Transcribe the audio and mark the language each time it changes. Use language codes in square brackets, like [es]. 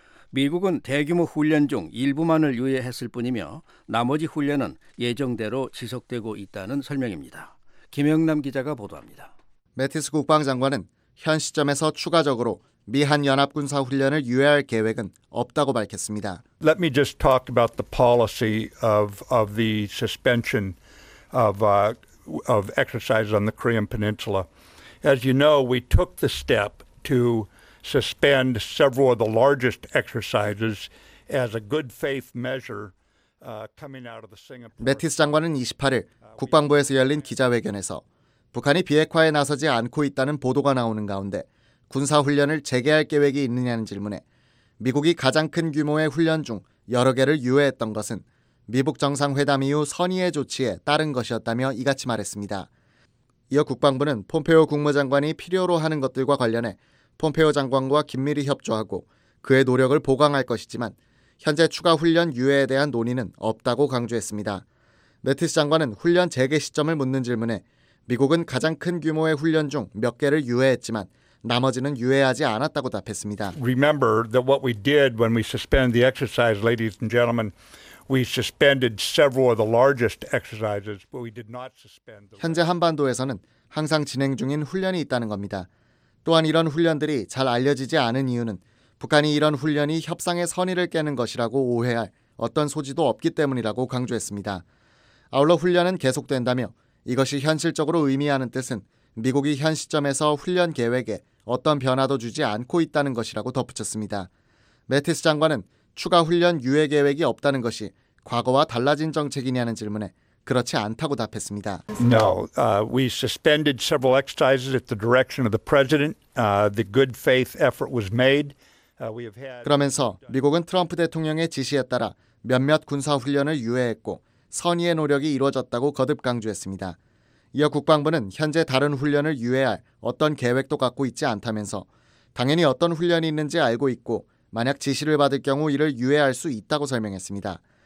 [ko] 미국은 대규모 훈련 중 일부만을 유예했을 뿐이며 나머지 훈련은 예정대로 지속되고 있다는 설명입니다. 김영남 기자가 보도합니다. 매티스 국방장관은 현 시점에서 추가적으로 미한 연합군사 훈련을 유예할 계획은 없다고 밝혔습니다. [en] Let me just talk about the policy of the suspension of exercises on the Korean Peninsula. As you know, we took the step to suspend several of the largest exercises as a good faith measure coming out of the Singapore. [ko] 매티스 장관은 28일 국방부에서 열린 기자회견에서 북한이 비핵화에 나서지 않고 있다는 보도가 나오는 가운데 군사훈련을 재개할 계획이 있느냐는 질문에 미국이 가장 큰 규모의 훈련 중 여러 개를 유예했던 것은 미북 정상회담 이후 선의의 조치에 따른 것이었다며 이같이 말했습니다. 이어 국방부는 폼페오 국무장관이 필요로 하는 것들과 관련해 폼페오 장관과 긴밀히 협조하고 그의 노력을 보강할 것이지만 현재 추가 훈련 유예에 대한 논의는 없다고 강조했습니다. 매티스 장관은 훈련 재개 시점을 묻는 질문에 미국은 가장 큰 규모의 훈련 중 몇 개를 유예했지만 나머지는 유예하지 않았다고 답했습니다. [en] Remember that what we did when we suspended the exercise, ladies and gentlemen, we suspended several of the largest exercises, but we did not suspend the [ko] 현재 한반도에서는 항상 진행 중인 훈련이 있다는 겁니다. 또한 이런 훈련들이 잘 알려지지 않은 이유는 북한이 이런 훈련이 협상의 선의를 깨는 것이라고 오해할 어떤 소지도 없기 때문이라고 강조했습니다. 아울러 훈련은 계속된다며 이것이 현실적으로 의미하는 뜻은 미국이 현 시점에서 훈련 계획에 어떤 변화도 주지 않고 있다는 것이라고 덧붙였습니다. 매티스 장관은 추가 훈련 유예 계획이 없다는 것이 과거와 달라진 정책이냐는 질문에 그렇지 않다고 답했습니다. [en] No, we suspended several exercises at the direction of the president. The good faith effort was made. We have had. [ko] 그러면서 미국은 트럼프 대통령의 지시에 따라 몇몇 군사 훈련을 유예했고 선의의 노력이 이루어졌다고 거듭 강조했습니다. 이어 국방부는 현재 다른 훈련을 유예할 어떤 계획도 갖고 있지 않다면서 당연히 어떤 훈련이 있는지 알고 있고 만약 지시를 받을 경우 이를 유예할 수 있다고 설명했습니다.